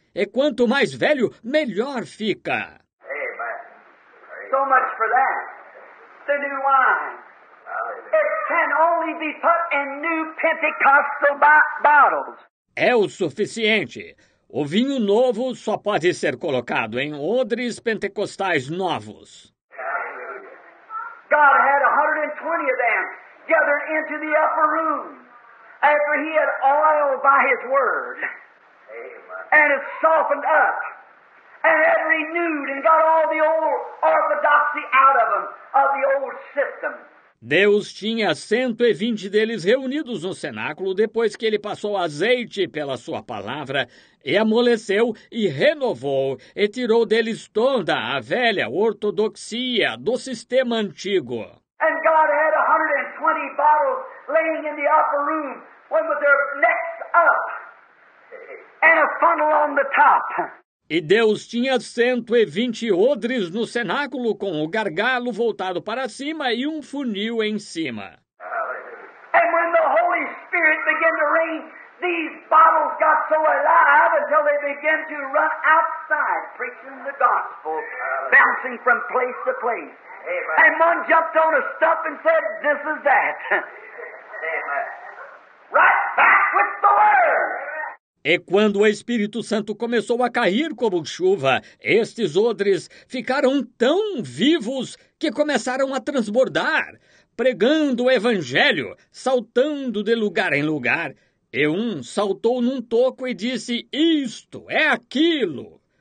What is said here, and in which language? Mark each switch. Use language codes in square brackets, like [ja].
[pt] E quanto mais velho, melhor fica. [en] So much for that. The new wine. It can only be put in new Pentecostal bottles. [pt] É o suficiente. O vinho novo só pode ser colocado em odres pentecostais novos. [en] God had 120 of them gathered into the upper room after he had oiled by his word. And it softened up. And had renewed and got all the old orthodoxy out of them, of the old system. [pt] Deus tinha 120 deles reunidos no cenáculo depois que ele passou azeite pela sua palavra, e amoleceu e renovou, e tirou deles toda a velha ortodoxia do sistema antigo. [en] And God had 120 bottles laying in the upper room, one with their necks up, and a funnel on the top. [pt] E Deus tinha 120 odres no cenáculo com o gargalo voltado para cima e um funil em cima. [en] And when the Holy Spirit began to rain, these bottles got so alive until they began to run outside preaching the gospel, bouncing from place to place. Amen. And one jumped on a stump and said, this is that. Amen. Right back with the word. [pt] E quando o Espírito Santo começou a cair como chuva, estes odres ficaram tão vivos que começaram a transbordar, pregando o Evangelho, saltando de lugar em lugar. E um saltou num toco e disse, isto é aquilo.